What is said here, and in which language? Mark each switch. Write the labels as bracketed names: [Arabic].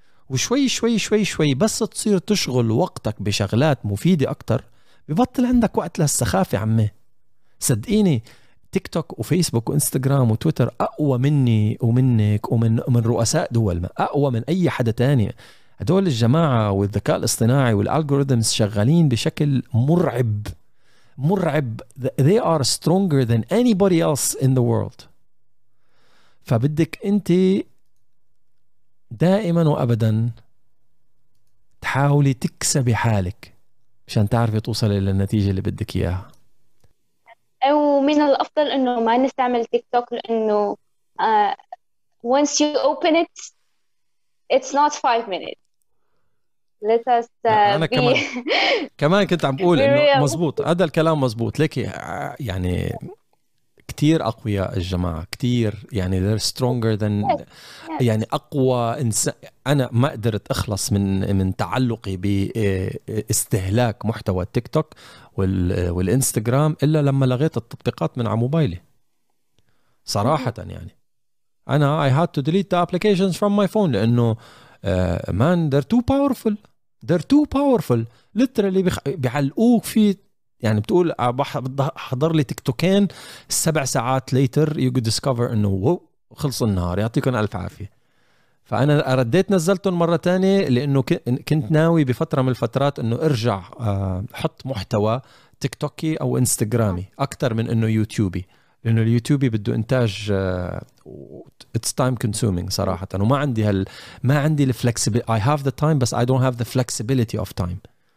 [Arabic] وشوي شوي شوي شوي بس تصير تشغل وقتك بشغلات مفيدة أكتر، ببطل عندك وقت للسخافة عمي. صدقيني تيك توك وفيسبوك وإنستغرام وتويتر أقوى مني ومنك ومن رؤساء دول، ما أقوى من أي حدا تاني. هدول الجماعة والذكاء الاصطناعي والألغوريثمز شغالين بشكل مرعب مرعب. [English] They are stronger than anybody else in the world. [Arabic] فبدك انت دائما وابدا تحاولي تكسبي حالك عشان تعرفي توصلي للنتيجه اللي بدك اياها. او من الافضل انه ما نستعمل تيك توك، لانه [English] once you open it it's not 5 minutes. Let us [Arabic] انا كمان كنت عم بقول انه مزبوط هذا الكلام مزبوط. ليك يعني كتير أقوياء الجماعة، كتير يعني [English] they're stronger than [Arabic] يعني أقوى إنسان. أنا ما قدرت أخلص من تعلقي باستهلاك محتوى التيك توك والإنستغرام إلا لما لغيت التطبيقات من على موبايلي صراحة. يعني أنا [English] I had to delete the applications from my phone، [Arabic] لأنه [English] man they're too powerful، they're too powerful literally. [Arabic] بيعلقوك في، يعني بتقول حضر لي تيك توكين، سبع ساعات later you could discover انه خلص النهار. يعطيكم الف عافية. فانا رديت نزلتهم مرة تانية، لانه كنت ناوي بفترة من الفترات انه ارجع حط محتوى تيك توكي او انستغرامي اكتر من انه يوتيوبي، لانه اليوتيوبي بده انتاج [English] it's time consuming [Arabic] صراحة، وما عندي ما عندي الflexibility. [English] I have the time but I don't have the flexibility of time.